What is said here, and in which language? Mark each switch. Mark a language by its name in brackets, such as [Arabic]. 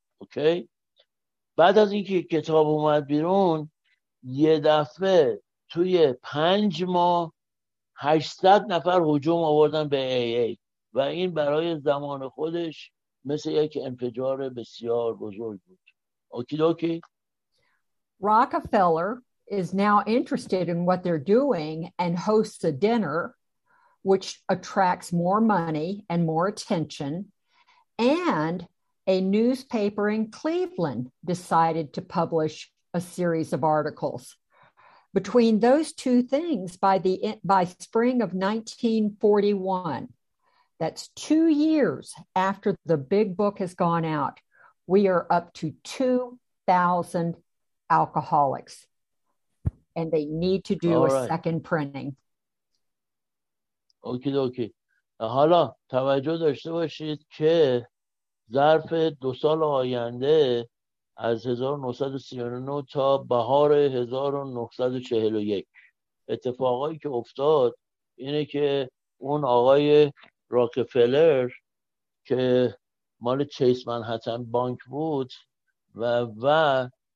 [Persian] اوکی؟ بعد از اینکه کتاب اومد بیرون، یه دفعه توی 5 ماه 800 نفر هجوم آوردن به AA و این برای زمان خودش مثل یک انفجار بسیار بزرگ بود. [English] Okie dokie. Rockefeller is now interested in what they're doing and hosts a dinner, which attracts more money and more attention. And a newspaper in Cleveland decided to publish a series of articles. Between those two things, by spring of 1941, that's 2 years after the big book has gone out, we are up to 2,000 alcoholics, and they need to do All a right. second printing. Okay, okay. [Persian] حالا توجه داشته باشید که ظرف 2 سال آینده از 1939 تا بهار 1941 اتفاقایی که افتاد اینه که اون آقای راکفلر که مال چیس منهتن بانک بود و